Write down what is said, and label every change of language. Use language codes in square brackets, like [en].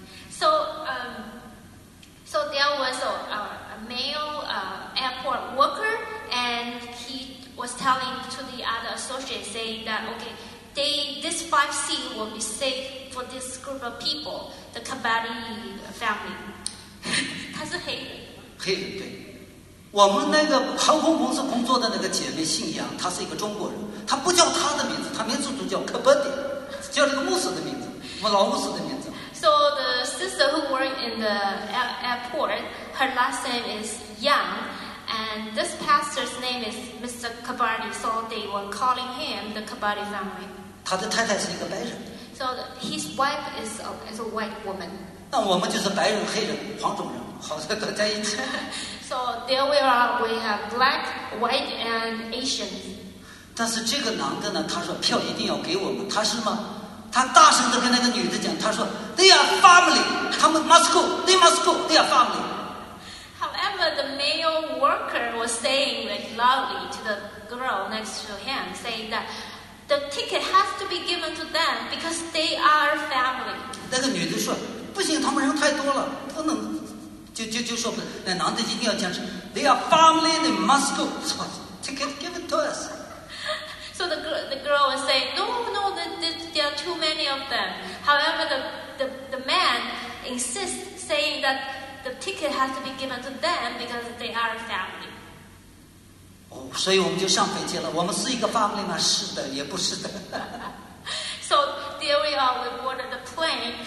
[en] So there was a male airport worker, and he was telling to the other associate saying that okay, this five seat will be safe for this group of people, the Kabaddi family. [zh] 他是黑人。黑人对。我们那个航空公司工作的那个姐妹姓杨，她是一个中国人，她不叫她的名字，她名字就叫 Kabaddi， 叫这个牧师的名字，我们老牧师的名字。 [en] So the sister who worked in the airport, her last name is Yang, and this pastor's name is Mr. Kabadi, so they were calling him the Kabadi family. So his wife is a white woman. So there we have black, white, and Asian. [zh] 但是这个男的呢，他说票一定要给我们，他是吗？他大声地跟那个女的讲，他说 [en] They are family, come must go, they must go, they are family. However, the male worker was saying like loudly to the girl next to him, saying that the ticket has to be given to them because they are family. [zh] 那个女的说 不行，他们人太多了，不能，就说那男的一定要坚持。 [en] They are family, they must go. So, ticket given to us. So the girl was saying, no, there are too many of them. However, the man insists saying that the ticket has to be given to them because they are a family. [zh] 所以我们就上飞机了，我们是一个 family 吗？是的，也不是的。 [en] So there we are, we boarded the plane.